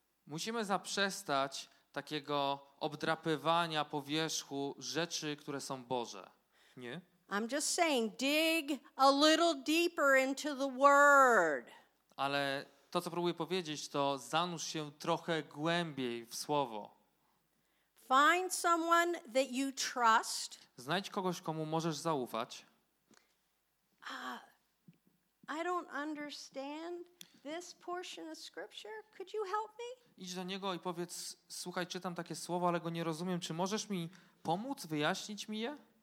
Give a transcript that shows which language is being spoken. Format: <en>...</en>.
<pl>Musimy zaprzestać takiego obdrapywania powierzchni rzeczy, które są Boże. Nie?</pl> <en>I'm just saying, dig a little deeper into the word.</en> <pl>Ale to, co próbuję powiedzieć, to zanurz się trochę głębiej w słowo.</pl> <en>Find someone that you trust.</en> <pl>Znajdź kogoś, komu możesz zaufać.</pl> <en>I don't understand this portion of scripture. Could you help me?</en> <pl>Idź do niego i powiedz, słuchaj, czytam takie słowo, ale go nie rozumiem. Czy możesz mi pomóc, wyjaśnić mi je?</pl>